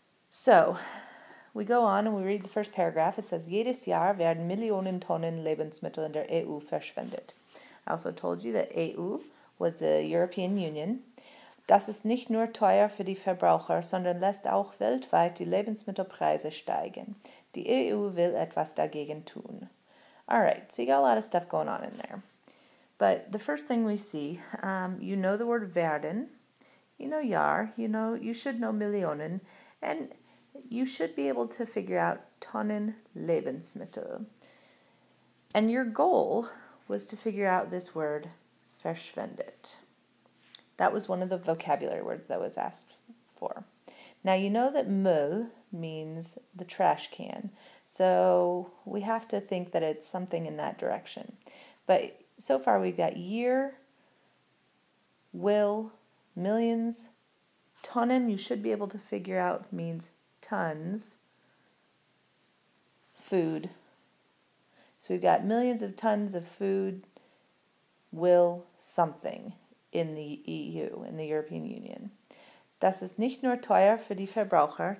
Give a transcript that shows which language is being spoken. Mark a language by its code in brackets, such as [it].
[en] So we go on and we read the first paragraph. It says, [de] jedes Jahr werden Millionen Tonnen Lebensmittel in der EU verschwendet. [en] I also told you that EU was the European Union. [de] Das ist nicht nur teuer für die Verbraucher, sondern lässt auch weltweit die Lebensmittelpreise steigen. Die EU will etwas dagegen tun. [en] All right, so you got a lot of stuff going on in there. But the first thing we see, you know the word werden, you know jahr, you should know Millionen, and you should be able to figure out Tonnen Lebensmittel. And your goal was to figure out this word, verschwendet. That was one of the vocabulary words that was asked for. Now you know that Müll means the trash can, so we have to think that it's something in that direction. But so far we've got year, will, millions, Tonnen, you should be able to figure out, means tons, food. So we've got millions of tons of food will something in the EU, in the European Union. [de] Das ist nicht nur teuer für die Verbraucher.